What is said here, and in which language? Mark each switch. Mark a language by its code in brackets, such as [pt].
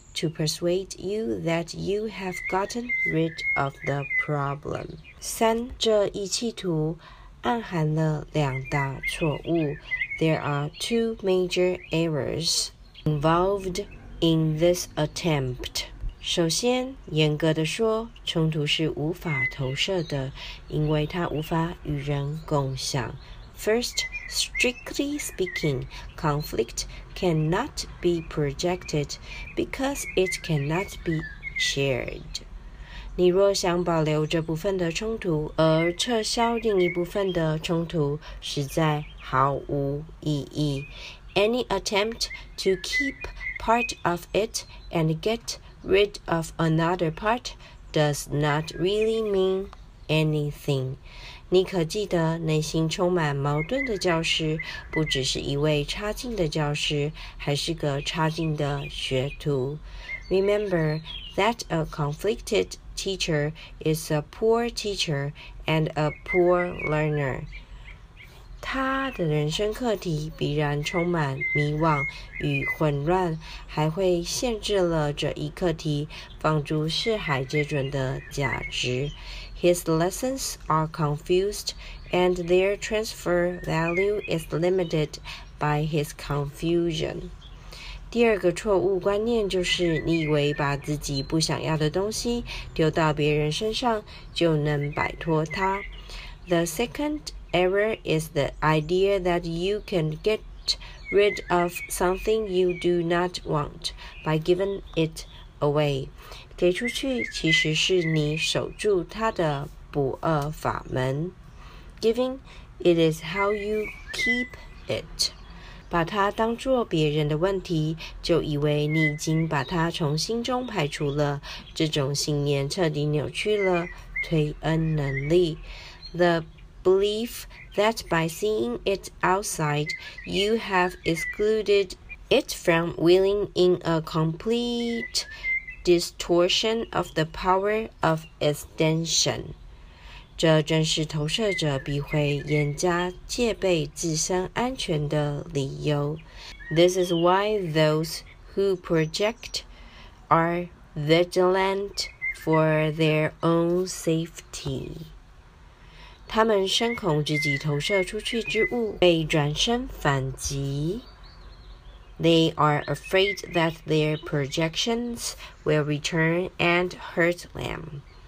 [en] To persuade you that you have gotten rid of the problem. [zh] 三，这一企图暗含了两大错误。 [en] There are two major errors involved in this attempt. [zh] 首先，严格地说，冲突是无法投射的，因为它无法与人共享。 [en] First, strictly speaking, conflict cannot be projected because it cannot be shared. [zh] 你若想保留这部分的冲突而撤销另一部分的冲突，实在毫无意义。 [en] Any attempt to keep part of it and get rid of another part does not really mean anything. [zh] 你可记得，内心充满矛盾的教师，不只是一位差劲的教师，还是个差劲的学徒。 [en] Remember that a conflicted teacher is a poor teacher and a poor learner. [zh] 他的人生课题必然充满迷惘与混乱，还会限制了这一课题放诸四海皆准的价值。 [en] His lessons are confused, and their transfer value is limited by his confusion. [zh] 第二个错误观念就是，你以为把自己不想要的东西丢到别人身上就能摆脱它。 [en] The second error is the idea that you can get rid of something you do not want by giving it away. [zh] 给出去其实是你守住他的不二法门。 [en] Giving, it is how you keep it. [zh] 把它当作别人的问题，就以为你已经把它从心中排除了，这种信念彻底扭曲了推恩能力。 [en] The belief that by seeing it outside, you have excluded it from willing in a complete... distortion of the power of extension. [zh] 这正是投射者必会严加戒备自身安全的理由。 [en] This is why those who project are vigilant for their own safety. [zh] 他们深恐自己投射出去之物被转身反击。 [en] They are afraid that their projections will return and hurt them.